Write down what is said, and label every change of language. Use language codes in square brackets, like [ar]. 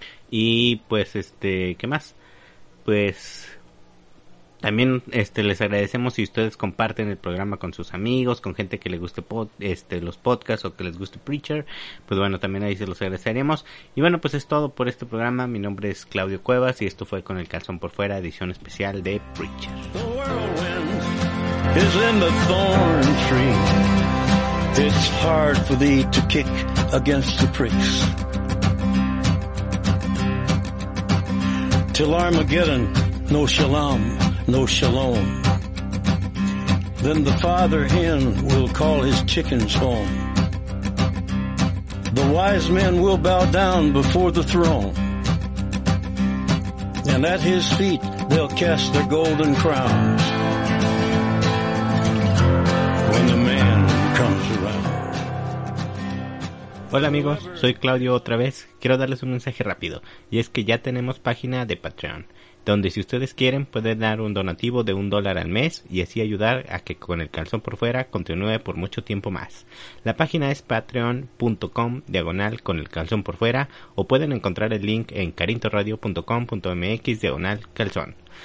[es] Y pues ¿qué más? Pues también les agradecemos si ustedes comparten el programa con sus amigos, con gente que le guste los podcasts o que les guste Preacher. Pues bueno, también ahí se los agradeceremos. Y bueno, pues es todo por este programa. Mi nombre es Claudio Cuevas y esto fue Con el Calzón por Fuera, edición especial de Preacher. [en] The whirlwind is in the thorn tree. It's hard for thee to kick against the pricks. Till Armageddon, no shalom, no shalom. Then the father hen will call his chickens home. The wise men will bow down before the throne. And at his feet they'll cast their golden crowns. When the man comes around. [es] Hola amigos, soy Claudio otra vez. Quiero darles un mensaje rápido, y es que ya tenemos página de Patreon, donde si ustedes quieren pueden dar un donativo de $1 al mes y así ayudar a que Con el Calzón por Fuera continúe por mucho tiempo más. La página es patreon.com/conelcalzonporfuera o pueden encontrar el link en carintoradio.com.mx/calzón.